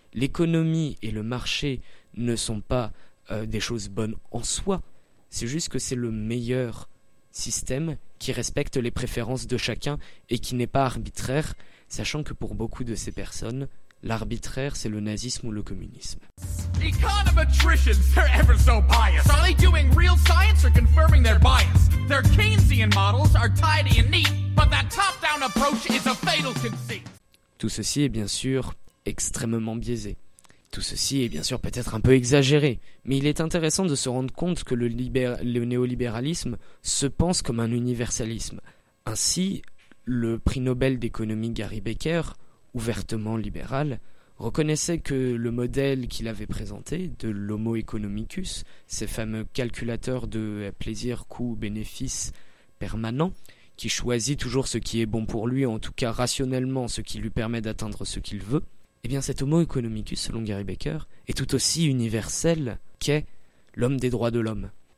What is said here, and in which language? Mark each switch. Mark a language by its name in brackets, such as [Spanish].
[French] L'économie et le marché ne sont pas des choses bonnes en soi, c'est juste que c'est le meilleur système qui respecte les préférences de chacun et qui n'est pas arbitraire, sachant que pour beaucoup de ces personnes, l'arbitraire, c'est le nazisme ou le communisme. [English] Econometricians, they're ever so biased. Are they doing real science or confirming their bias? Their Keynesian models are tidy and neat, but that top-down approach is a fatal conceit. [French] Tout ceci est bien sûr extrêmement biaisé. Tout ceci est bien sûr peut-être un peu exagéré, mais il est intéressant de se rendre compte que le néolibéralisme se pense comme un universalisme. Ainsi, le prix Nobel d'économie Gary Becker, ouvertement libéral, reconnaissait que le modèle qu'il avait présenté de l'Homo economicus, ces fameux calculateurs de plaisir, coût, bénéfice permanent, qui choisit toujours ce qui est bon pour lui, en tout cas rationnellement ce qui lui permet d'atteindre ce qu'il veut, eh bien cet Homo economicus, selon Gary Becker, est tout aussi universel qu'est l'homme des droits de l'homme.